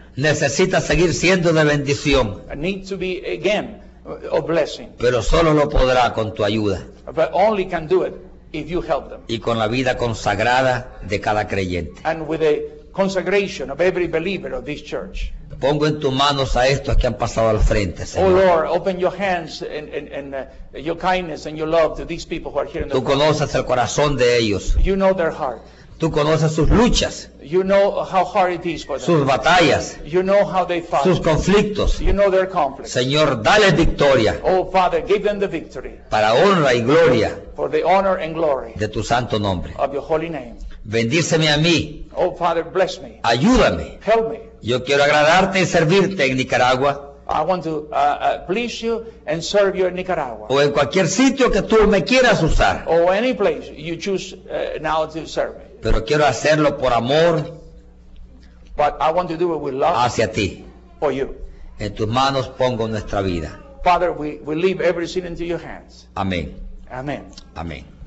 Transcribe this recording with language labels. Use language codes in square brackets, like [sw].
[es] Necesita seguir siendo de bendición. [en] Needs to be again a blessing. [es] Pero solo lo podrá con tu ayuda. [en] But only can do it if you help them. [es] Y con la vida consagrada de cada creyente. [en] And with the consecration of every believer of this church. [es] Pongo en tus manos a estos que han pasado al frente, Señor. [en] Oh Lord, open your hands and your kindness and your love to these people who are here in the [es] Tú conoces [en] world. [es] El corazón de ellos. [en] You know their heart. [es] Tú conoces sus luchas. [en] You know how hard it is for them. [es] Sus batallas. [en] You know how they fight. [es] Sus conflictos. [en] You know their conflicts. [es] Señor, dale victoria. [en] Oh Father, give them the victory. [es] Para honra y gloria. [en] For the honor and glory. [es] De tu santo nombre. [en] Of your holy name. [es] Bendíceme a mí. [en] Oh Father, bless me. [es] Ayúdame. [en] Help me. [es] Yo quiero agradarte y servirte en Nicaragua. [en] I want to please you and serve you in Nicaragua. [es] O en cualquier sitio que tú me quieras usar. [en] Or any place you choose now to serve me. [es] Pero quiero hacerlo por amor. [en] But I want to do it with love. [es] Hacia ti. [en] For you. [es] En tus manos pongo nuestra vida. [en] Father, we leave everything into your hands. [es] Amén. [en] Amen. [es] Amén.